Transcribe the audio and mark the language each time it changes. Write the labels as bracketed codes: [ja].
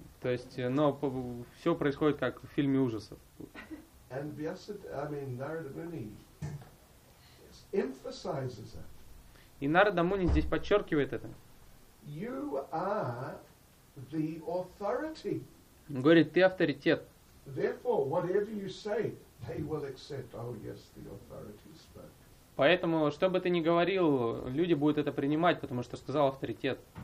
[ru] То есть, но все происходит как в фильме ужасов. [en] And Vyasa, I mean, Narada Muni emphasizes it. [ru] И Нарада Муни здесь подчеркивает это. [en] You are the authority. [ru] Говорит, ты авторитет. [en] Therefore, whatever you say, they will accept. Oh yes, the authority spoke. [ru] Поэтому, что бы ты ни говорил, люди будут это принимать, потому что сказал авторитет.